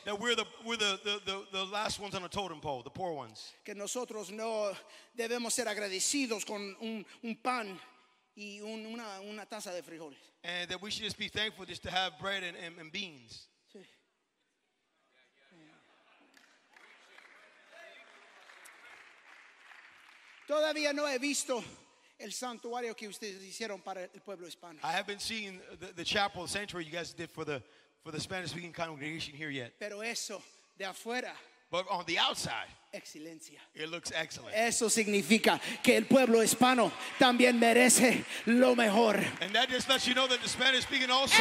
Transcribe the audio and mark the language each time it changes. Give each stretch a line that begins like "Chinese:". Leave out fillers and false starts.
English: That we're the last ones on a totem pole, the poor ones.
Spanish: Que nosotros no debemos ser agradecidos con un pan. Y una taza de frijoles.
English: And that we should just be thankful just to have bread and beans.
Spanish: Todavía no he visto el santuario que ustedes hicieron para el pueblo hispano.
English: I haven't seen the chapel, the sanctuary you guys did for the Spanish-speaking congregation here yet.
Spanish: Pero eso de afuera.
English: But on the outside.
Spanish: Excelencia.
English: It looks excellent.
Spanish: Eso significa que el pueblo hispano también merece lo mejor.
English: And that just lets you know that the Spanish speaking also